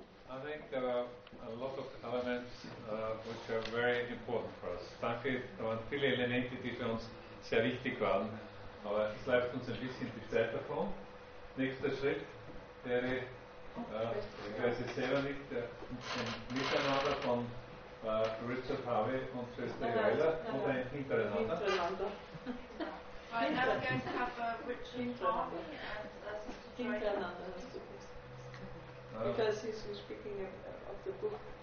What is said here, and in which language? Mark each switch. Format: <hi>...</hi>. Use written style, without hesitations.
<en>I think there are a lot of elements which are very important for us.</en> <de>Danke, da waren viele Elemente, die für uns sehr wichtig waren. Aber es bleibt uns ein bisschen die Zeit davon. Nächster Schritt wäre, ich weiß es selber nicht, ein Miteinander von Richard Harvey und Schwester Joella oder ein Hintereinander.</de> <en>I now we're going to have Richard Harvey and</en> <de>Hintereinander.</de> <en>Because he's speaking of the book.</en>